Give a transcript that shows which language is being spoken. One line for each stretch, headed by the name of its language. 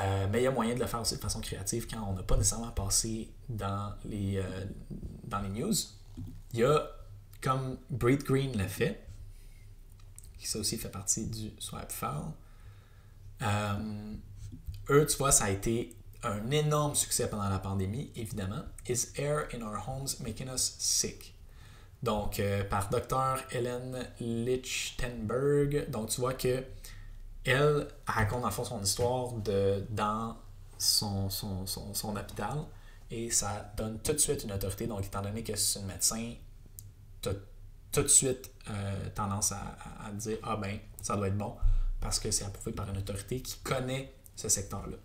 French: Mais il y a moyen de le faire aussi de façon créative quand on n'a pas nécessairement passé dans les news. Il y a, comme Breathe Green l'a fait, qui ça aussi fait partie du Swipe File. Eux, tu vois, ça a été un énorme succès pendant la pandémie, évidemment.
English: Is air in our homes making us sick?
French: Donc, par Dr. Ellen Lichtenberg. Donc, tu vois que elle raconte en fond son histoire dans son hôpital et ça donne tout de suite une autorité. Donc, étant donné que c'est un médecin, tu as tout de suite tendance à dire « Ah ben, ça doit être bon » parce que c'est approuvé par une autorité qui connaît ce secteur-là.